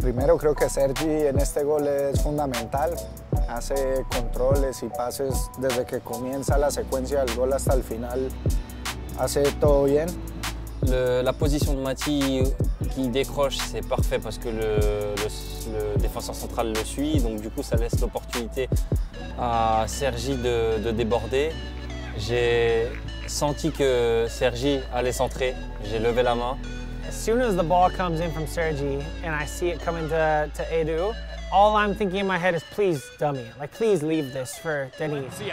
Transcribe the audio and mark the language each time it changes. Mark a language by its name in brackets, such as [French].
[Spanish] Primero, creo que Sergi en este gol es fundamental. Hace controles y pases desde que comienza la secuencia del gol hasta el final. Hace todo bien. [French] La position de Mati qui décroche, c'est parfait parce que le défenseur central le suit, donc du coup ça laisse l'opportunité à Sergi de déborder. J'ai senti que Sergi allait centrer, j'ai levé la main. [English] As soon as the ball comes in from Sergi and I see it coming to Edu, all I'm thinking in my head is please dummy, like please leave this for Denis.